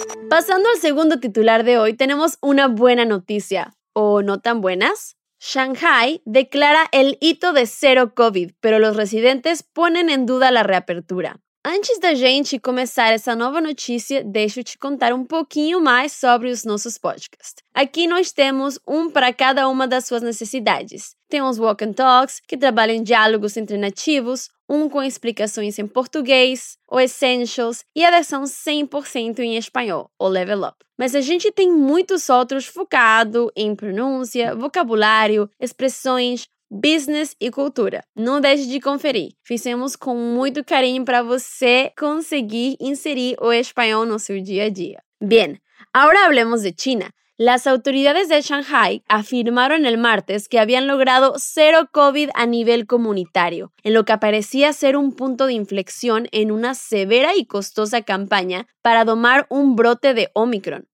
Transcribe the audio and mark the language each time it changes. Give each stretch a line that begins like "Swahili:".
Spanish: Pasando al segundo titular de hoy, tenemos una buena noticia. ¿O no tan buenas? Shanghai declara el hito de cero COVID, pero los residentes ponen en duda la reapertura.
Portuguese: Antes da gente começar essa nova notícia, deixa eu te contar um pouquinho mais sobre os nossos podcasts. Aqui nós temos um para cada uma das suas necessidades. Temos Walk and Talks, que trabalha em diálogos entre nativos, um com explicações em português, o Essentials, e a versão 100% em espanhol, o Level Up. Mas a gente tem muitos outros focados em pronúncia, vocabulário, expressões, business e cultura. Não deixe de conferir. Fizemos com muito carinho para você conseguir inserir o espanhol no seu dia a dia.
Spanish: Bien, agora hablemos de China. Las autoridades de Shanghai afirmaron el martes que habían logrado cero COVID a nivel comunitario, en lo que parecía ser un punto de inflexión en una severa y costosa campaña para domar un brote de Omicron.